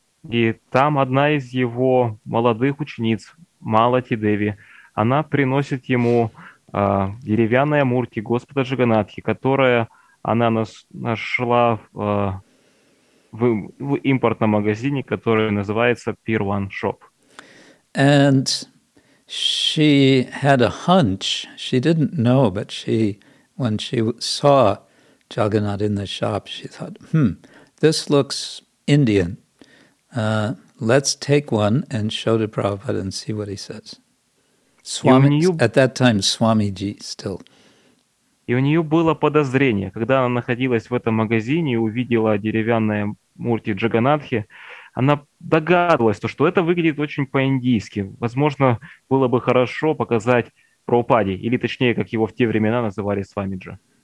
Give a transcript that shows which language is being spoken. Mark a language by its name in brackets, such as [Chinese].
[Russian] И там одна из его молодых учениц, Малати Деви, она приносит ему деревянное мурти Господа Джаганатхи, которое она нашла в импортном магазине, который называется Pier One Shop. [English] And she had a hunch. She didn't know, but she, when she saw Jagannath in the shop, she thought, this looks Indian. Let's take one and show to Prabhupada and see what he says. Swami, at that time, Swamiji still. [Russian] И у нее было подозрение, когда она находилась в этом магазине и увидела деревянное мурти Джаганатхи, она догадывалась, что это выглядит очень по-индийски. Возможно, было бы хорошо показать Прабхупаде, или точнее, как его в те времена называли, Свамиджи.